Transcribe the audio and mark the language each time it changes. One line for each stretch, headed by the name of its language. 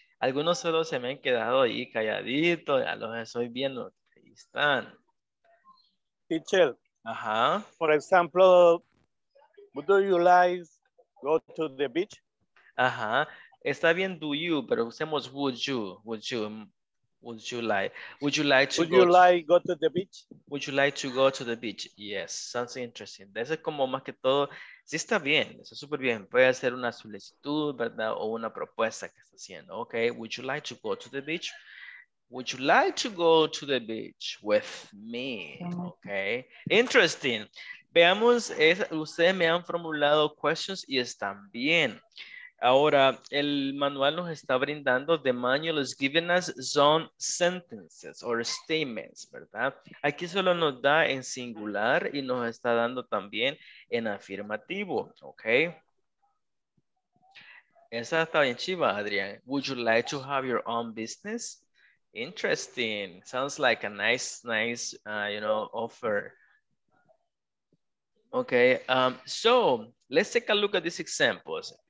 Spanish: Algunos solo se me han quedado ahí calladitos, ya los estoy viendo. Ahí están.
English: Teacher. Ajá. For example, do you like go to the beach?
Spanish: Ajá. Está bien,
English: do you,
Spanish: pero usemos
English: would you like to go to the beach? Would you like to go to the beach? Yes, sounds interesting.
Spanish: Eso es como más que todo. Sí, está bien, está súper bien. Puede hacer una solicitud, ¿verdad? O una propuesta que está haciendo.
English: Ok, would you like to go to the beach? Would you like to go to the beach with me? Ok, interesting.
Spanish: Veamos, ustedes me han formulado questions y están bien. Ahora, el manual nos está brindando,
English: the manual is giving us some sentences or statements,
Spanish: ¿verdad? Aquí solo nos da en singular y nos está dando también en afirmativo, ¿ok? Esa está bien chiva, Adrián.
English: Would you like to have your own business? Interesting. Sounds like a nice, offer. Ok, so, let's take a look at these examples.